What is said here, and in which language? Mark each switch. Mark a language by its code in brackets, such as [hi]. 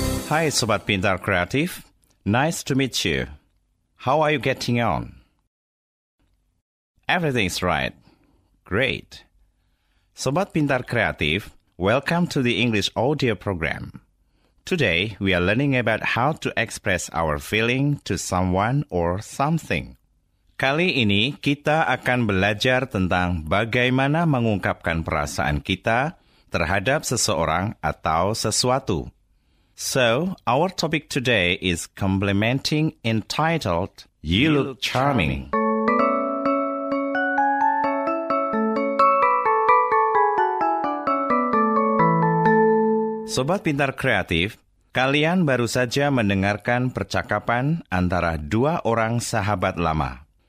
[en] Hi, Sobat Pintar Kreatif. Nice to meet you. How are you getting on? Everything's right. Great. Sobat Pintar Kreatif, welcome to the English audio program. Today, we are learning about how to express our feeling to someone or something. [id] Kali ini, kita akan belajar tentang bagaimana mengungkapkan perasaan kita terhadap seseorang atau sesuatu. [en] So, our topic today is complimenting entitled, You Look Charming. [id] Sobat Pintar Kreatif, kalian baru saja mendengarkan percakapan antara dua orang sahabat lama.